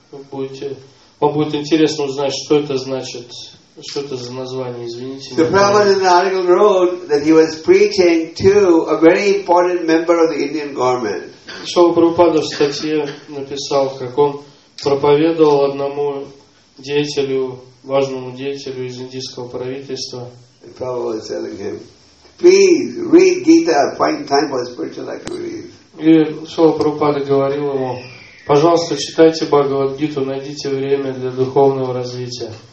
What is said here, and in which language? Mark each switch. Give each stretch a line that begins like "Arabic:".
Russian: Вам будет интересно узнать, что это значит, что это за название «Извините, нет времени».
English: The article wrote that he was preaching to a very important member of the Indian government.
Russian: Шрила Прабхупада в статье написал, как он проповедовал одному деятелю, важному деятелю из индийского правительства. И Шрила Прабхупада говорил ему: пожалуйста, читайте Бхагавад-гиту, найдите время для духовного развития.